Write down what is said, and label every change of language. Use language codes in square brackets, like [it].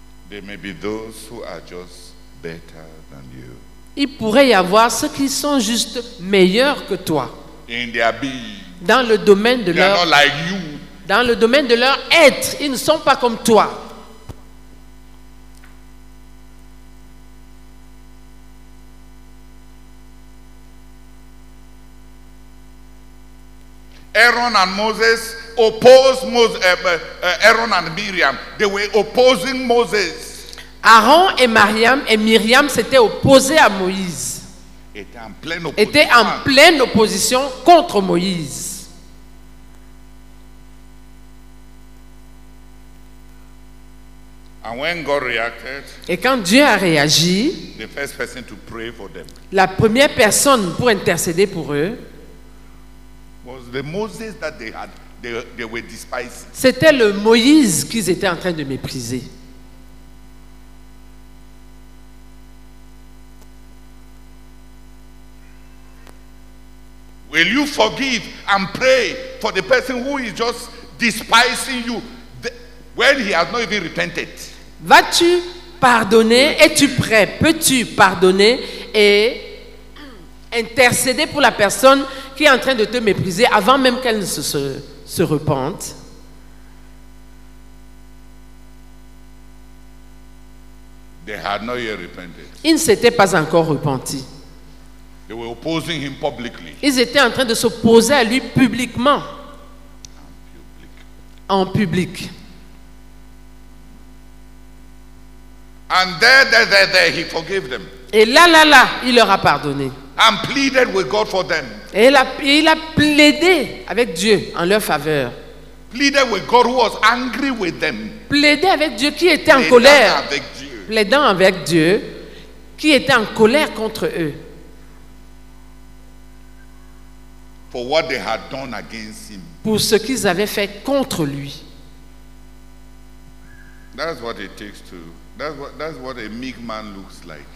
[en] There may be those who are just better than you. [fr] Il pourrait y avoir ceux qui sont juste meilleurs que toi. Dans le domaine de leur, dans le domaine de leur être, ils ne sont pas comme toi. [en] Aaron and Moses opposed Aaron and Miriam. They were opposing Moses. [fr] Aaron et Miriam, s'étaient opposés à Moïse. Étaient en pleine opposition contre Moïse. [en] And when God reacted, [fr] et quand Dieu a réagi, [en] the first person to pray for them, [fr] la première personne pour intercéder pour eux, [en] was the Moses that they had, they were despising. [fr] C'était le Moïse qu'ils étaient en train de mépriser. [en] Will you forgive and pray for the person who is just despising you when he has not even repented? [fr] Vas-tu pardonner? Es-tu prêt? Peux-tu pardonner et intercéder pour la personne qui est en train de te mépriser avant même qu'elle ne se repente? [en] They had not yet repented. [fr] Ils ne s'étaient pas encore repentis. [en] They were opposing him publicly. [fr] Ils étaient en train de s'opposer à lui publiquement. En public. [en] And there, he forgave them. [fr] Et là, il leur a pardonné. [en] And pleaded with God for them. [fr] Et il a plaidé avec Dieu en leur faveur. [en] Pleaded with God who was angry with them. [fr] Plaidé avec Dieu qui était en colère. Avec Dieu. Plaidant avec Dieu qui était en colère contre eux. [en] For what they had done against him. [fr] Pour ce qu'ils avaient fait contre lui. [en] That's what it takes to. That's what a meek man looks like.